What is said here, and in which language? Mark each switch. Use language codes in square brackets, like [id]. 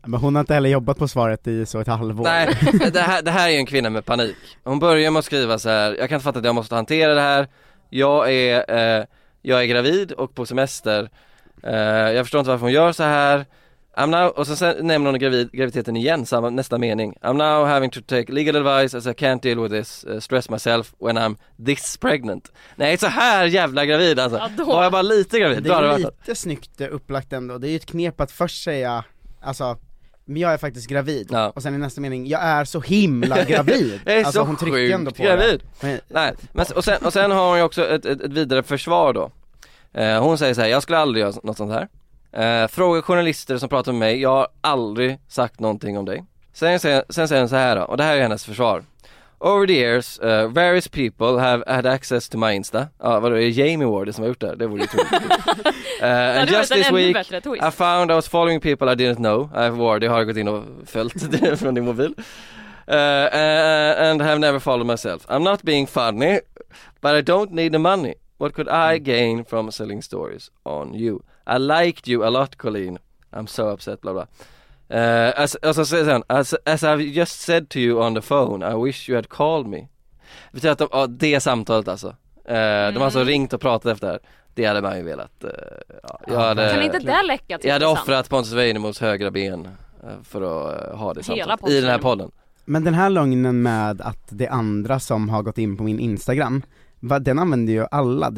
[sv] Men hon har inte heller jobbat på svaret i så ett halvår. Nej, det här är ju en kvinna med panik. Hon börjar med att skriva så här: jag kan inte fatta att jag måste hantera det här. Jag är gravid och på semester. Jag förstår inte varför hon gör så här. Och sen nämner hon graviditeten igen, samma, nästa mening. [en] I'm now having to take legal advice as I can't deal with this, stress myself when I'm this pregnant. [sv] Nej, så här jävla gravid alltså. Ja, då. Var jag bara lite gravid? Det är lite varit snyggt upplagt ändå. Det är ju ett knep att först säga, alltså, men jag är faktiskt gravid. Ja. Och sen i nästa mening, jag är så himla gravid. Jag är alltså, så hon trycker sjukt ändå på gravid. Och sen har hon ju också ett vidare försvar då. Hon säger så här: jag skulle aldrig göra något sånt här. Fråga journalister som pratar med mig. Jag har aldrig sagt någonting om dig. Sen säger hon så här då, och det här är hennes försvar: [en] over the years, various people have had access to my Insta. [sv] Vadå, är det Jamie Ward som har gjort det? Det vore ju troligt. [en] And just this week, I found I was following people I didn't know. [sv] Ward, jag har gått in och följt det från din mobil. [en] And have never followed myself. I'm not being funny, but I don't need the money. What could I gain from selling stories on you? I liked you a lot, Colleen. I'm so upset, blah, blah. As I've just said to you on the phone, I wish you had called me. [sv] Betyder att det samtalet alltså. De har alltså ringt och pratat efter det här. Det hade man ju velat. Kan inte det läcka till? Jag hade offrat Pontus Wejnemos högra ben för att ha det samtalet i den här podden. Men den här lögnen med att det andra som har gått in på min Instagram, den använder ju alla.